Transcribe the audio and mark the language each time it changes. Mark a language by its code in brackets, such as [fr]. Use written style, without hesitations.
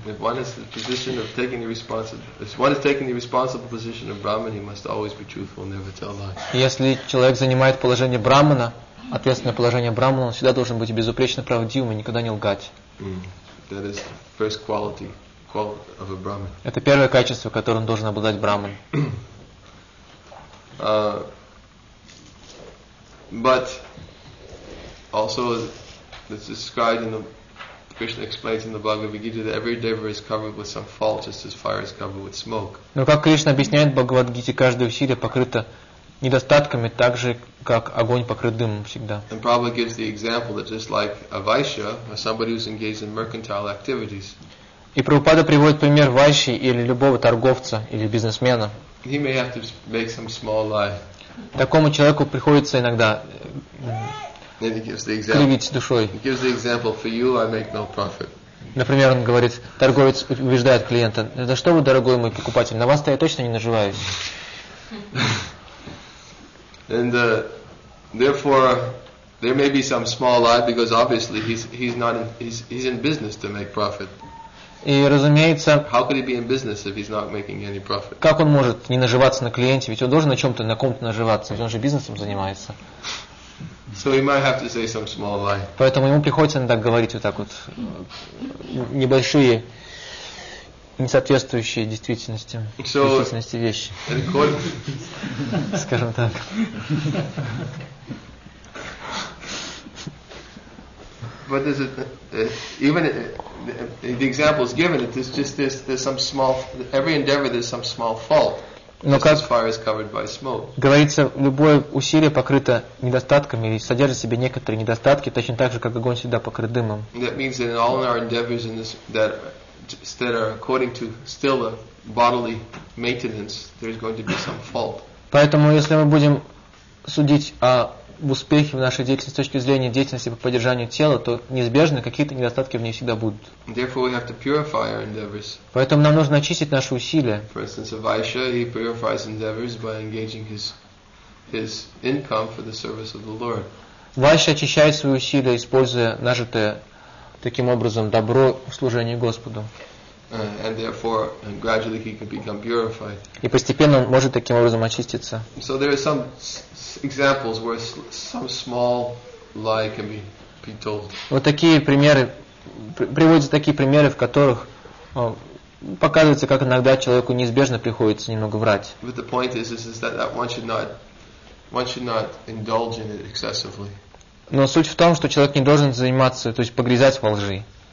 [en] If one is the position of taking the responsible, if one is taking the responsible position of Brahmin, he must always be truthful, never tell lies. [ru] Если человек занимает положение Брахмана, ответственное положение Брахмана, он всегда должен быть безупречно правдивым и никогда не лгать. [en] That is the first quality of a Brahmin. [ru] Это первое качество, которым должен обладать Брахман. [en] But also it's described in the Krishna explains in the Bhagavad Gita that every endeavor is covered with some fault, just as fire is covered with smoke. [ru] Но как Кришна объясняет в Бхагавад Гите, каждое усилие покрыто недостатками, так же как огонь покрыт дымом всегда. [en] And Prabhupada gives the example that just like a vaishya, or somebody who's engaged in mercantile activities. [ru] И Прабхупада приводит пример вайши или любого торговца или бизнесмена. [en] He may have to make some small lie. [ru] Такому человеку приходится иногда кривить душой. [en] He gives the example for you, I make no profit. [ru] Например, он говорит, торговец убеждает клиента: «Да что вы, дорогой мой покупатель, на вас-то я точно не наживаюсь». [en] And therefore, there may be some small lie because obviously he's in business to make profit. [ru] И разумеется. [en] How could he be in business if he's not making any profit? [ru] Как он может не наживаться на клиенте, ведь он должен на чем-то, на ком-то наживаться, ведь он же бизнесом занимается. [en] So he might have to say some small lie. [ru] Поэтому ему приходится иногда говорить вот так вот небольшие несоответствующие действительности, действительности вещи. Скажем так. [en] But is it even the example is given? It is just this. There's some small. Every endeavor, there's some small fault. [ru] Но как [en] fire is covered by smoke. [ru] Говорится, любое усилие покрыто недостатками и содержит в себе некоторые недостатки, точно так же, как огонь всегда покрыт дымом. [en] That means that in all our endeavors in this that are according to still the bodily maintenance, there is going to be some fault. [ru] Поэтому, если мы будем судить о в успехе в нашей деятельности, с точки зрения деятельности по поддержанию тела, то неизбежно какие-то недостатки в ней всегда будут. [en] Therefore, we have to purify our endeavors. [ru] Поэтому нам нужно очистить наши усилия. [en] For instance, Avaisha, he purifies endeavors by engaging his income for the service of the Lord. [ru] Вайша очищает свои усилия, используя нажитое таким образом добро в служении Господу. [en] And therefore, gradually he can become purified. [ru] И постепенно он может таким образом очиститься. [en] So there are some examples where some small lie can be told. [ru] Вот такие примеры приводятся такие примеры, в которых показывается, как иногда человеку неизбежно приходится немного врать. [en] But the point is that one should not indulge in it excessively. [ru] Но суть в том, что человек не должен заниматься, то есть погрязать во лжи.